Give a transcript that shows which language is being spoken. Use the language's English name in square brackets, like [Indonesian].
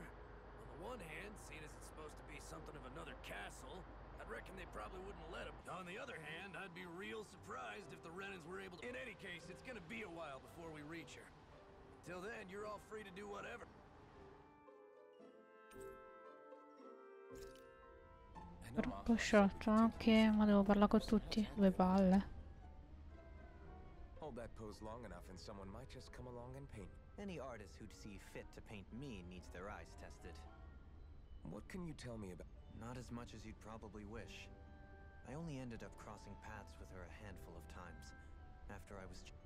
[English] On the one hand, seeing as it's supposed to be something of another castle, I'd reckon they probably wouldn't let them. On the other hand, I'd be real surprised if the Renans were able to... In any case, it's gonna be a while before we reach her. Till then, you're all free to do whatever. [Italian] Troppo sciolto, ok, ma devo parlare con tutti. Due palle. [English] Hold that pose long enough and someone might just come along and paint. Any artist who'd see fit to paint me needs their eyes tested. What can you tell me about? Not as much as you'd probably wish. I only ended up crossing paths with her a handful of times after I was...